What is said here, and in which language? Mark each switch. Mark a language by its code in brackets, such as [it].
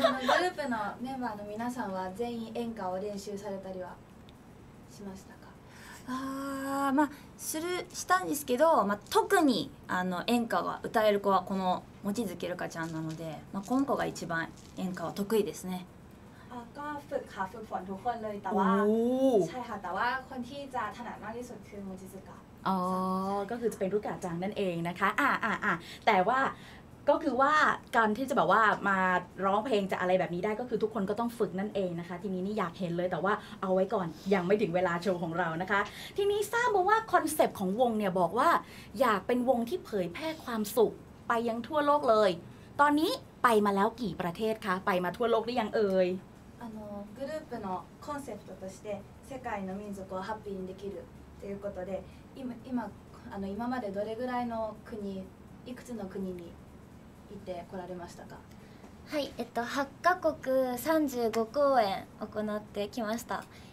[ja] グループのメンバーの皆さんは全員演歌を練習されたりはしましたか？まあするしたんですけど、まあ、特にあの演歌が歌える子はこの望月瑠香ちゃんなので、まあ、この子が一番演歌は得意ですね。 [th] あ、ก็ฝึกค่ะฝึกฝนทุกคนเลยแต่ว่าใช่ค่ะแต่ว่าคนที่จะถนัดมากที่สุดคือ望月瑠香。อ๋อก็คือจะเป็นรุกาจังนั่นเองนะคะแต่ว่าก็คือว่าการที่จะแบบว่ามาร้องเพลงจะอะไรแบบนี้ได้ก็คือทุกคนก็ต้องฝึกนั่นเองนะคะทีนี้นี่อยากเห็นเลยแต่ว่าเอาไว้ก่อนยังไม่ถึงเวลาโชว์ของเรานะคะทีนี้ทราบมาว่าคอนเซปต์ของวงเนี่ยบอกว่าอยากเป็นวงที่เผยแพร่ความสุขไปยังทั่วโลกเลยตอนนี้ไปมาแล้วกี่ประเทศคะไปมาทั่วโลกได้ยังเอ่ย กลุ่มเป็นคอนเซปต์ [ja] として世界の民族をハッピーにできるということで今までどれぐらいの国いくつの国に行って来られましたか。はい、8カ国35公演行ってきました。